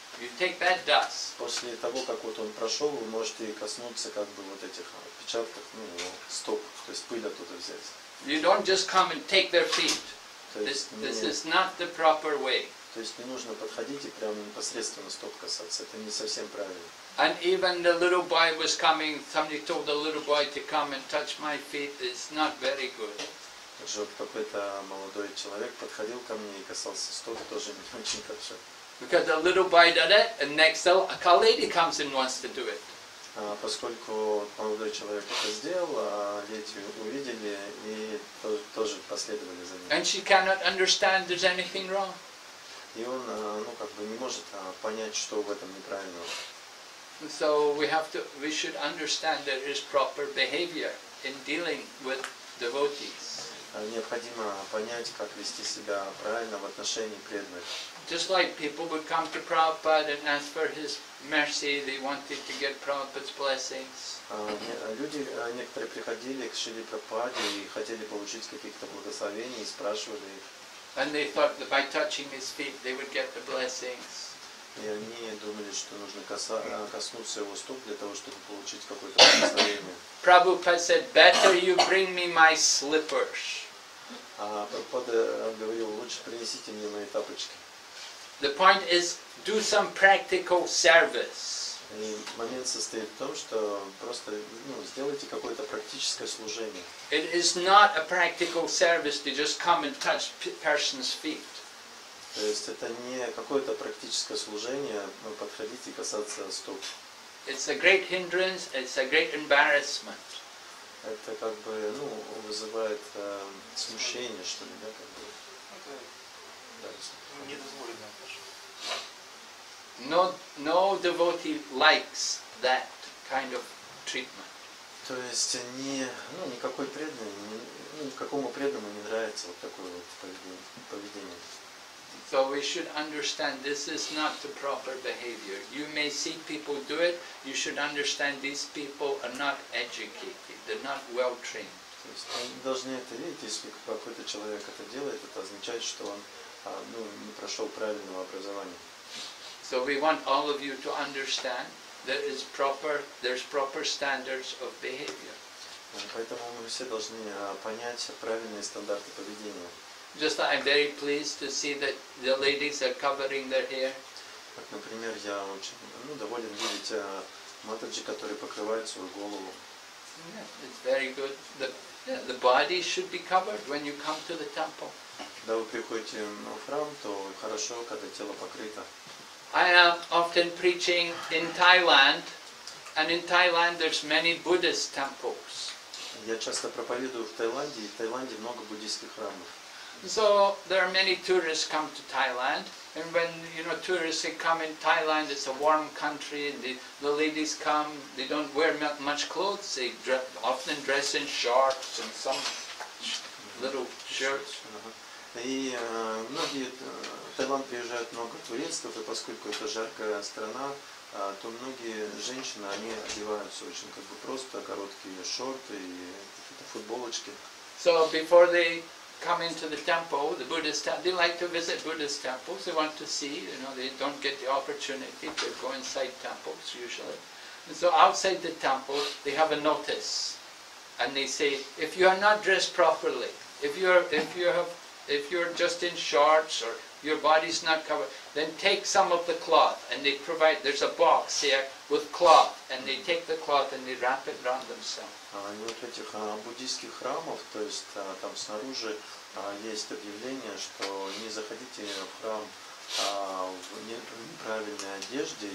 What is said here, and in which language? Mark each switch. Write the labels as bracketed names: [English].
[English] You take that dust. [Russian] После того как вот он прошел, вы можете коснуться как бы вот этих отпечатков, стоп, то есть пыль оттуда взять. [English] You don't just come and take their feet. This is not the proper way. [Russian] То есть не нужно подходить и прямо непосредственно стоп касаться. Это не совсем правильно. [English] And even the little boy was coming, somebody told the little boy to come and touch my feet, it's not very good. [Russian] Также вот какой-то молодой человек подходил ко мне и касался стоп, тоже не очень хорошо. [English] Because the little boy did it, and next a lady comes and wants to do it. [Russian] Поскольку молодой человек это сделал, а дети увидели и тоже последовали за ним. [English] And she cannot understand there's anything wrong. [Russian] И он, ну как бы, не может понять, что в этом неправильного. [English] So we should understand there is proper behavior in dealing with devotees. [Russian] Необходимо понять, как вести себя правильно в отношении преданных. [English] Just like people would come to Prabhupada and ask for his mercy, they wanted to get Prabhupada's blessings. [Russian] Люди некоторые приходили к Шриле Прабхупаде и хотели получить каких-то благословений и спрашивали их. [English] And they thought that by touching his feet they would get the blessings. [Russian] И они думали, что нужно коснуться его стоп для того, чтобы получить какое-то благословение. [English] Prabhupada said, better you bring me my slippers. [Russian] А Прабхупада говорил, лучше принесите мне мои тапочки. [English] The point is, do some practical service. [Russian] И момент состоит в том, что просто, ну, сделайте какое-то практическое служение. [English] It is not a practical service to just come and touch person's feet. [Russian] То есть это не какое-то практическое служение, но подходить и касаться стоп. [English] It's a great hindrance, it's a great embarrassment. [Russian] Это как бы, ну, вызывает смущение, что ли, да, как бы. Это недозволено. [English] No devotee likes that kind of treatment. [Russian] То есть не, ну, никакой преданный, ну, какому преданному не нравится вот такое вот поведение. [English] So we should understand this is not the proper behavior. You may see people do it, you should understand these people are not educated, they're not well trained. [Russian] Вы должны это видеть, если какой-то человек это делает, это означает, что он, ну, не прошел правильного образования. [English] So we want all of you to understand there is proper, there's proper standards of behavior. [Russian] Поэтому мы все должны понять правильные стандарты поведения. [English] Just that I'm very pleased to see that the ladies are covering their hair. [Russian] Так, например, я очень, ну, доволен видеть матаджи, которые покрывают свою голову. [English] Yeah, it's very good. The body should be covered when you come to the temple. [Russian] Когда вы приходите в храм, то хорошо, когда тело покрыто. [English] I am often preaching in Thailand, and in Thailand there's many Buddhist temples. [Russian] Я часто проповедую в Таиланде, и в Таиланде много буддийских храмов. [English] So there are many tourists come to Thailand, and when, you know, tourists they come in Thailand, it's a warm country, and the ladies come, they don't wear much clothes, they often dress in shorts and some little shirts. [Russian] И многие в Таиланд приезжают много туристов, и поскольку это жаркая страна, то многие женщины они одеваются очень как бы просто, короткие шорты и какие-то футболочки. [English] So before they come into the temple, the Buddhist temple. They like to visit Buddhist temples. They want to see, you know, they don't get the opportunity to go inside temples usually. And so outside the temple, they have a notice, and they say, if you are not dressed properly, if you're just in shorts or your body's not covered, then take some of the cloth. And they provide. There's a box here with cloth, and they take the cloth and they wrap it around themselves. [Russian] Они вот этих буддийских храмов, то есть там снаружи есть объявление, что не заходите в храм в неправильной одежде.